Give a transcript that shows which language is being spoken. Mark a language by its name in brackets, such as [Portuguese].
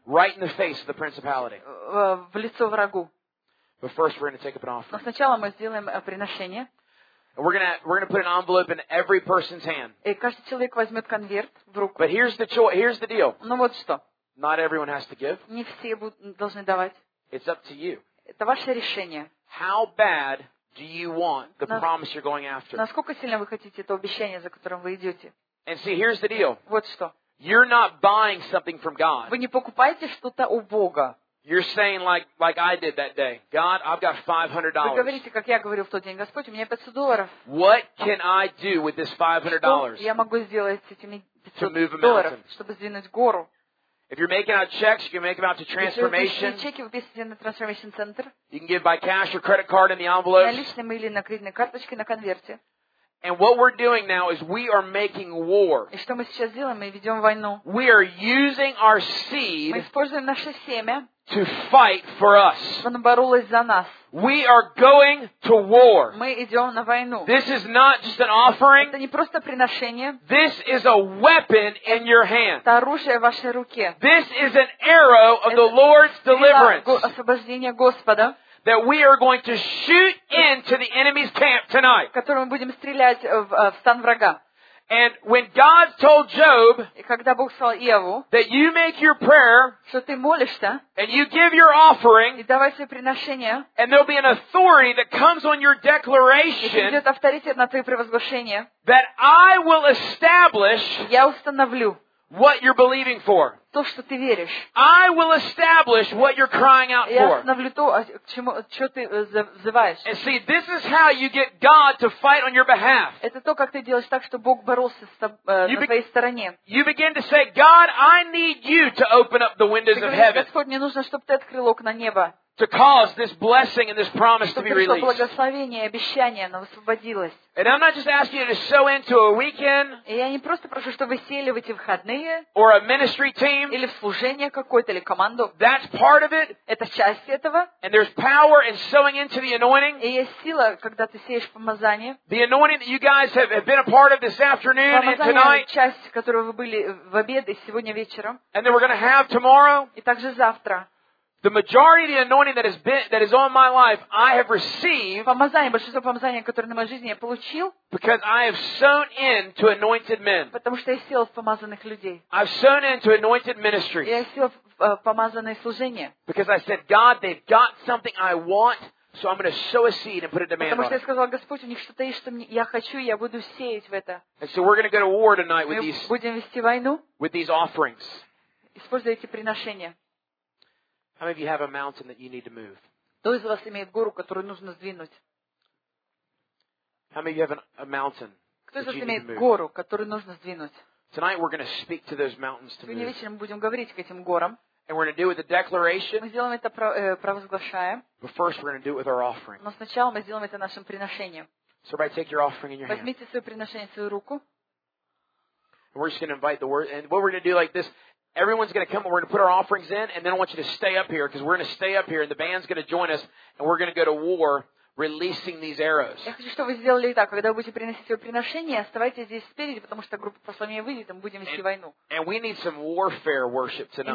[English] Right in the face of the principality. [Russian] В лицо врагу. [English] But first we're going to take up an offering. [Russian] Но сначала мы сделаем приношение. [English] We're going to put an envelope in every person's hand. [Russian] И каждый человек возьмет конверт в руку. [English] But here's the deal. [Russian] Ну вот что. [English] Not everyone has to give. [Russian] Не все должны давать. [English] It's up to you. [Russian] Это ваше решение. [English] How bad do you want the promise you're going after? [Russian] Насколько сильно вы хотите то обещание, за которым вы идете? [English] And see, here's the deal. [Russian] Вот что. [English] You're not buying something from God. [Russian] Вы не покупаете что-то у Бога. [English] You're saying like I did that day. God, I've got $500. [Russian] Вы говорите, как я говорил в тот день, Господь, у меня $500. [English] What can I do with this $500? [Russian] Что я могу сделать с этими $500, чтобы сдвинуть гору? [English] If you're making out checks, you can make them out to Transformation. [Russian] Если вы пишете чеки, вы пишете на Transformation Center. [English] You can give by cash or credit card in the envelopes. [Russian] Наличными или на кредитной карточке на конверте. [English] And what we're doing now is we are making war. [Russian] И что мы сейчас делаем? Мы ведем войну. [English] We are using our seed. [Russian] Мы используем наше семя. [English] To fight for us. [Russian] Чтобы боролись за нас. [English] We are going to war. [Russian] Мы идем на войну. [English] This is not just an offering. [Russian] Это не просто приношение. [English] This is a weapon in your hand. [Russian] Это оружие в вашей руке. [English] This is an arrow of the Lord's deliverance. [Russian] Это освобождение Господа. [English] That we are going to shoot into the enemy's camp tonight. [Russian] Которым мы будем стрелять в стан врага. [English] And when God told Job, [Russian] и когда Бог сказал Иову, [English] that you make your prayer, [Russian] что ты молишься, [English] and you give your offering, [Russian] и давай свои приношения, [English] and there'll be an authority that comes on your declaration, [Russian] и придет авторитет на твои провозглашения, [English] that I will establish, [Russian] я установлю. [English] What you're believing for. [Russian] То, что ты веришь. [English] I will establish what you're crying out for. [Russian] Я установлю то, что ты взываешь. [English] And see, this is how you get God to fight on your behalf. [Russian] Это то, как ты делаешь так, чтобы Бог боролся с тобой на твоей стороне. [English] You begin to say, God, I need you to open up the windows of heaven. [Russian] Господь, мне нужно, чтобы ты открыл окна неба. [English] To cause this blessing and this promise to be released. [Russian] Чтобы благословение и обещание оно освободилось. [English] And I'm not just asking you to sow into a weekend. [Russian] Я не просто прошу, чтобы вы сели в эти выходные. [English] Or a ministry team. [Russian] Или в служение какое-то или команду. [English] That's part of it. [Russian] Это часть этого. [English] And there's power in sowing into the anointing. [Russian] И есть сила, когда ты сеешь помазание. [English] The anointing that you guys have been a part of this afternoon and tonight. [Russian] Помазание — часть, которую вы были в обед и сегодня вечером. [English] And then we're going to have tomorrow. [Russian] И также завтра. [English] The majority of the anointing that is on my life, I have received. [Russian] Помазание, большинство помазания, которое на моей жизни я получил. [English] Because I have sown into anointed men. [Russian] Потому что я сел в помазанных людей. [English] I've sown into anointed ministry. [Russian] Я сел в помазанное служение. [English] Because I said, God, they've got something I want, so I'm going to sow a seed and put a demand on it. [Russian] Потому что я сказал, Господь, у них что-то есть, что мне я хочу, я буду сеять в это. [English] And so we're going to go to war tonight with these. [Russian] Мы будем вести войну. [English] With these offerings. [Russian] Используя эти приношения. [English] How many of you have a mountain that you need to move? [Russian] Кто из вас имеет гору, которую нужно сдвинуть? [English] How many of you have a mountain? [Russian] Кто из вас имеет гору, которую нужно сдвинуть? [English] Tonight we're going to speak to those mountains to move. [Russian] Сегодня вечером будем говорить к этим горам. [English] And we're going to do it with a declaration. [Russian] Мы сделаем это провозглашаем. [English] But first we're going to do it with our offering. [Russian] Но сначала мы сделаем это нашим приношением. [English] So everybody take your offering in your hand. [Russian] Возьмите свое приношение в свою руку. [English] And we're just going to invite the word. And what we're going to do like this. Everyone's going to come and we're going to put our offerings in and then I want you to stay up here because we're going to stay up here and the band's going to join us and we're going to go to war releasing these arrows. [Russian] Я хочу, чтобы вы сделали так, когда вы будете приносить свои приношения, оставайтесь здесь спереди, потому что группа послания выйдет, и мы будем вести войну. [English] And we need some warfare worship tonight.